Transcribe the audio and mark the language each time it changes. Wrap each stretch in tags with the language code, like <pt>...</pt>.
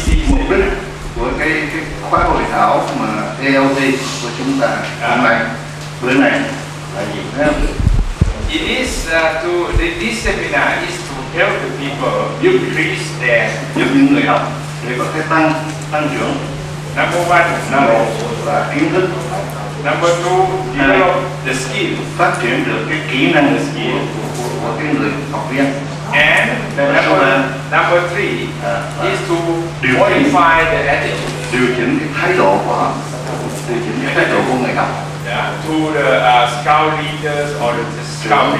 <vi>Mục đích của cái khóa hội thảo mà ALT của chúng ta hôm nay, bữa nay là gì?</vi> <en>It is to this seminar is to help the people increase their</en> <vi>giúp những người học để có thể tăng trưởng.</vi> <en>Number one</en> <vi>là kiến thức.</vi> <en>Number two, develop the skill,</en> <vi>phát triển được cái kỹ năng của cái người học viên.</vi> <en>And number three is to modify the attitude,</en> <vi>điều chỉnh cái thái độ của họ, điều chỉnh cái thái độ của người học.</vi> <en>Yeah, to the scout leaders or the scout</en>